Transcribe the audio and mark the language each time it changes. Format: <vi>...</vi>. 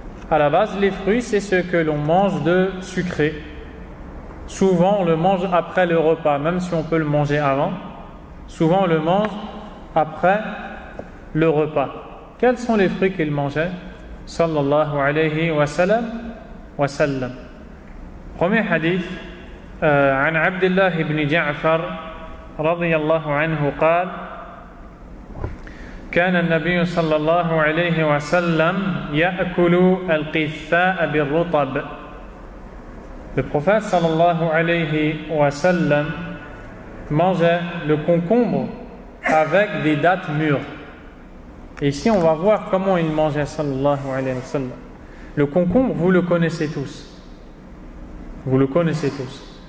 <fr>À la base, les fruits, c'est ce que l'on mange de sucré. Souvent on le mange après le repas, même si on peut le manger avant. Souvent on le mange après le repas. Quels sont les fruits qu'il mangeait sallallahu alayhi wa sallam wa sallam? Premier hadith,</fr> <ar>an Abdullah ibn Ja'far radiyallahu anhu قال كان النبي صلى الله عليه وسلم يأكل القثاء بالرطب.</ar> <fr>Le prophète sallallahu alayhi wa sallam mangeait le concombre avec des dattes mûres. Et ici, on va voir comment il mangeait, sallallahu alayhi wa sallam. Le concombre, vous le connaissez tous. Vous le connaissez tous.</fr>